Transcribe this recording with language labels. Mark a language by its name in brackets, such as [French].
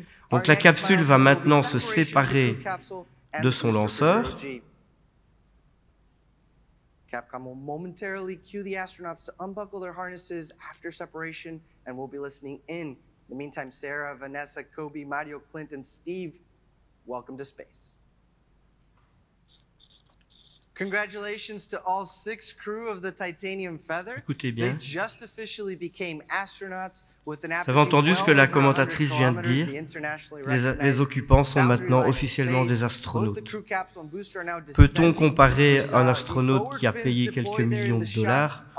[French] Donc la capsule va maintenant se séparer de son lanceur. [English] Capcom will momentarily cue the astronauts to unbuckle their harnesses after separation, and we'll be listening in. In the meantime, Sarah, Vanessa, Kobe, Mario, Clint, and Steve, welcome to space. Congratulations to all 6 crew of the Titanium Feather. [French] Écoutez bien. [English] They just officially became astronauts with an aperture. [French] Vous avez entendu ce que la commentatrice vient de dire? Les occupants sont maintenant officiellement des astronautes. Peut-on comparer un astronaute qui a payé quelques millions de dollars